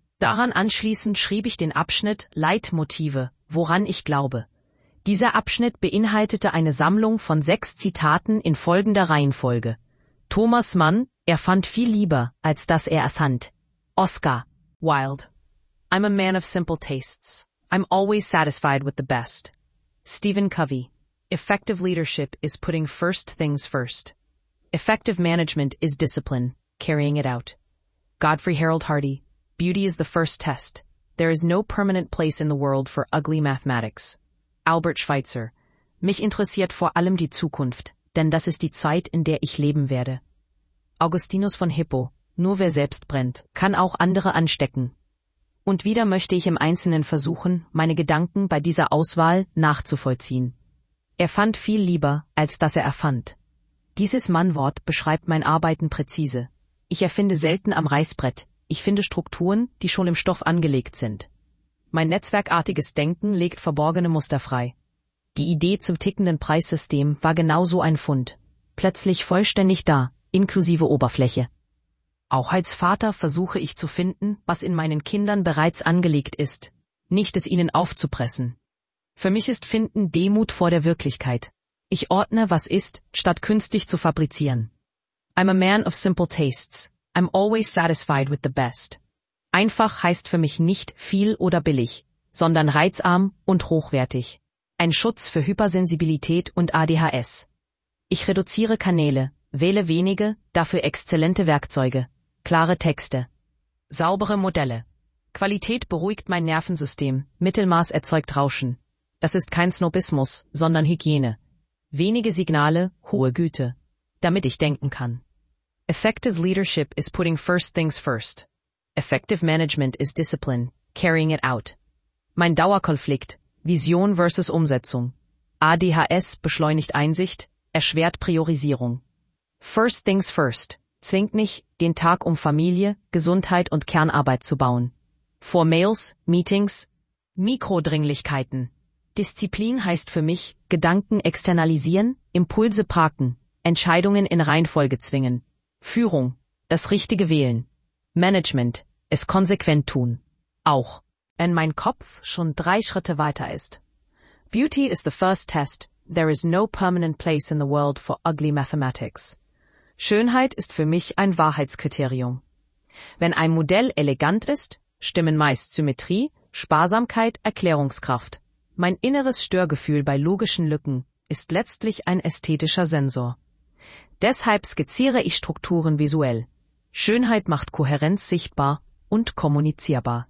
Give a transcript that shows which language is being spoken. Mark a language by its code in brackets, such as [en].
[de] Daran anschließend schrieb ich den Abschnitt Leitmotive, woran ich glaube. Dieser Abschnitt beinhaltete eine Sammlung von 6 Zitaten in folgender Reihenfolge. Thomas Mann, er fand viel lieber, als dass er es fand. [en] Oscar, Wilde. I'm a man of simple tastes. I'm always satisfied with the best. Stephen Covey. Effective leadership is putting first things first. Effective management is discipline, carrying it out. Godfrey Harold Hardy. Beauty is the first test. There is no permanent place in the world for ugly mathematics. [de] Albert Schweitzer. Mich interessiert vor allem die Zukunft, denn das ist die Zeit, in der ich leben werde. Augustinus von Hippo. Nur wer selbst brennt, kann auch andere anstecken. Und wieder möchte ich im Einzelnen versuchen, meine Gedanken bei dieser Auswahl nachzuvollziehen. Er fand viel lieber, als dass er erfand. Dieses Mannwort beschreibt mein Arbeiten präzise. Ich erfinde selten am Reißbrett. Ich finde Strukturen, die schon im Stoff angelegt sind. Mein netzwerkartiges Denken legt verborgene Muster frei. Die Idee zum tickenden Preissystem war genauso ein Fund. Plötzlich vollständig da, inklusive Oberfläche. Auch als Vater versuche ich zu finden, was in meinen Kindern bereits angelegt ist, nicht es ihnen aufzupressen. Für mich ist Finden Demut vor der Wirklichkeit. Ich ordne, was ist, statt künstlich zu fabrizieren. [en] I'm a man of simple tastes. I'm always satisfied with the best. [de] Einfach heißt für mich nicht viel oder billig, sondern reizarm und hochwertig. Ein Schutz für Hypersensibilität und ADHS. Ich reduziere Kanäle. Wähle wenige, dafür exzellente Werkzeuge, klare Texte, saubere Modelle. Qualität beruhigt mein Nervensystem, Mittelmaß erzeugt Rauschen. Das ist kein Snobismus, sondern Hygiene. Wenige Signale, hohe Güte, damit ich denken kann. [en] Effective leadership is putting first things first. Effective management is discipline, carrying it out. [de] Mein Dauerkonflikt, Vision versus Umsetzung. ADHS beschleunigt Einsicht, erschwert Priorisierung. [en] First things first, [de] zwingt mich, den Tag um Familie, Gesundheit und Kernarbeit zu bauen. Vor Mails, Meetings, Mikrodringlichkeiten. Disziplin heißt für mich, Gedanken externalisieren, Impulse parken, Entscheidungen in Reihenfolge zwingen. Führung, das Richtige wählen. Management, es konsequent tun. Auch, wenn mein Kopf schon 3 Schritte weiter ist. [en] Beauty is the first test. There is no permanent place in the world for ugly mathematics. [de] Schönheit ist für mich ein Wahrheitskriterium. Wenn ein Modell elegant ist, stimmen meist Symmetrie, Sparsamkeit, Erklärungskraft. Mein inneres Störgefühl bei logischen Lücken ist letztlich ein ästhetischer Sensor. Deshalb skizziere ich Strukturen visuell. Schönheit macht Kohärenz sichtbar und kommunizierbar.